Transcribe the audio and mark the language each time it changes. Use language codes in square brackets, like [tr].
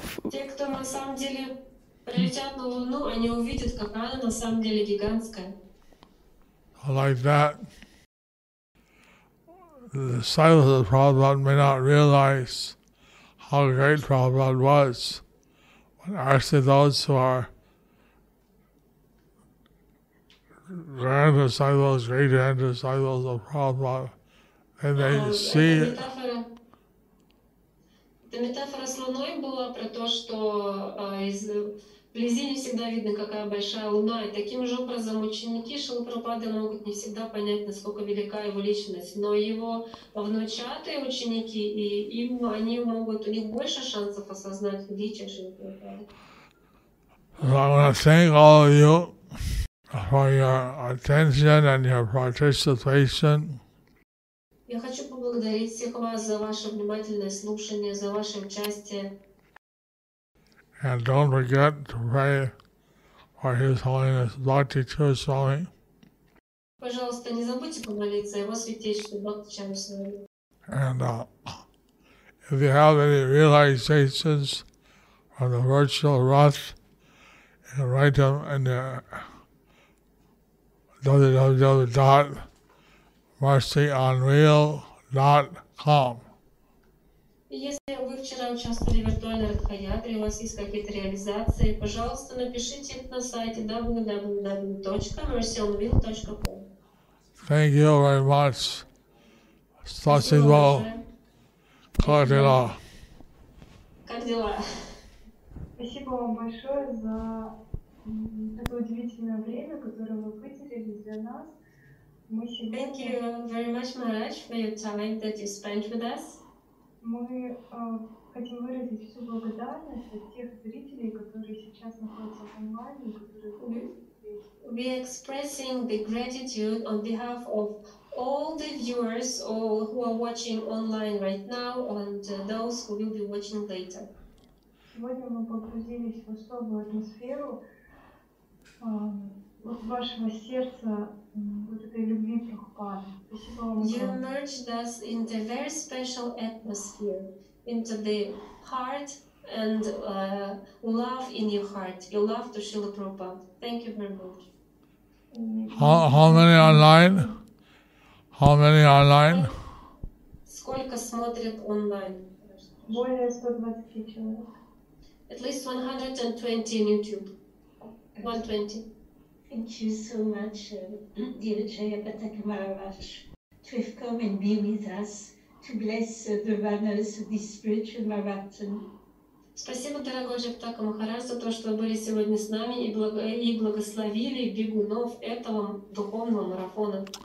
[ru] Те, кто на самом деле прилетят на Луну, они увидят, какая она на самом деле гигантская. [en] Like that, the disciples of Prabhupada may not realize how great Prabhupada was, when actually those who are grand disciples, great grand disciples of Prabhupada, and they see it. The metaphor of Luna was about that from the distance you can always see how big the Luna is. In the same way, the disciples of Prabhupada can't always understand how great his personality is, but his [ru] внучатые ученики и им они могут у них больше шансов осознать величие Шрила Прабхупады. [en] I want to thank all of you for your attention and your participation. [ru] Я хочу поблагодарить всех вас за ваше внимательное слушание, за ваше участие. [en] And don't forget to pray or His Holiness Bhakti Chaiswami. [ru] Пожалуйста, не забудьте помолиться о его святейшему Бхакти Чаиswami. [en] And if you have any realizations on the virtual wrath, you can write them in the www.mercyonreal.com. [ru] Если вы вчера участвовали в виртуальной Радхаятре, у вас есть какие-то реализации, пожалуйста, напишите на сайте www.mercyonreal.com. [en] Thank you very much. [ru] Спасибо. Как дела? Как дела? Спасибо вам большое за такое удивительное время, которое вы выделили для нас. Мы сегодня... [en] Thank you very much, Maharaj, for your time that you spent with us. [ru] Мы хотим выразить всю благодарность от тех зрителей, которые сейчас находятся в онлайне, которые... [en] We are expressing the gratitude on behalf of all the viewers or who are watching online right now and those who will be watching later. [ru] Сегодня мы погрузились в особую атмосферу вашего сердца, вот этой любви Прабхупады. Спасибо вам. [en] You merged us into a very special atmosphere, into the heart and love in your heart, your love to Srila Prabhupada. Thank you very much. How many online? [ru] Сколько смотрят онлайн? Более 120 человек. [en] At least 120 on YouTube. 120. Thank you so much, dear Jaya Pataka Maharaj, to have come and be with us to bless the runners of this spiritual marathon. [ru] Спасибо, дорогой Джагтака Махарадж, за то, что вы были сегодня с нами и, благословили бегунов этого духовного марафона.